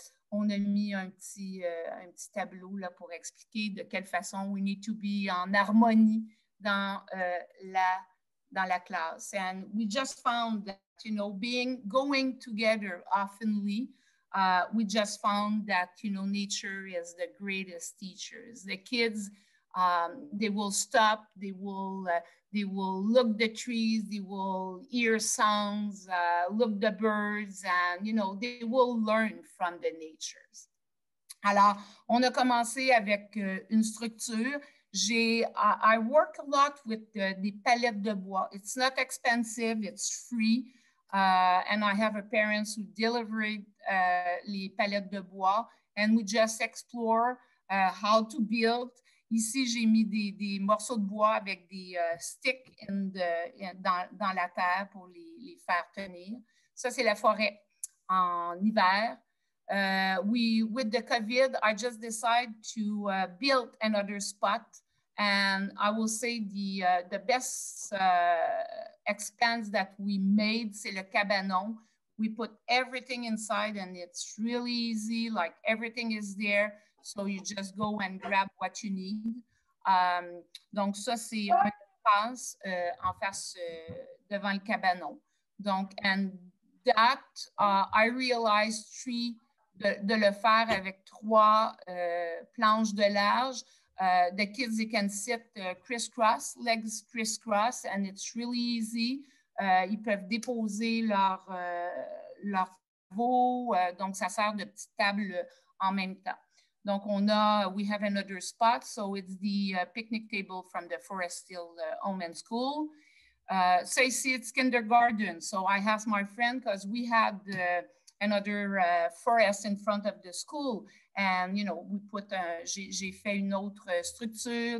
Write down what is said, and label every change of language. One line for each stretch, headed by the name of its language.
French: On a mis un petit tableau là, pour expliquer de quelle façon
English: we need to be
French: en harmonie dans la classe.
English: And we just found that, you know, going together oftenly, we just found that, you know, nature is the greatest teacher. The kids, they will stop, they will look the trees, they will hear sounds, look the birds, and, you know, they will learn from the nature.
French: Alors, on a commencé avec une structure.
English: I work a lot with
French: des palettes de bois.
English: It's not expensive, it's free. And I have a parents who delivered
French: les palettes de bois.
English: And we just explore how to build.
French: Ici, j'ai mis des morceaux de bois avec des sticks dans la terre pour les faire tenir. Ça, c'est la forêt en hiver.
English: With the COVID, I just decided to build another spot. And I will say the best expense that we made,
French: c'est le cabanon.
English: We put everything inside and it's really easy. Like everything is there. So you just go and grab what you need.
French: Donc ça, c'est un espace en face devant le cabanon. Donc,
English: and that, I realized three,
French: de le faire avec trois planches de large.
English: The kids, they can sit crisscross, legs crisscross, and it's really easy.
French: Ils peuvent déposer leur veau. Donc, ça sert de petite table en même temps.
English: Donc, we have another spot. So, it's the picnic table from the Forest Hill Home and School. So, you see, it's kindergarten. So, I asked my friend because we had another forest in front of the school. And, you know, we put,
French: j'ai fait une autre structure.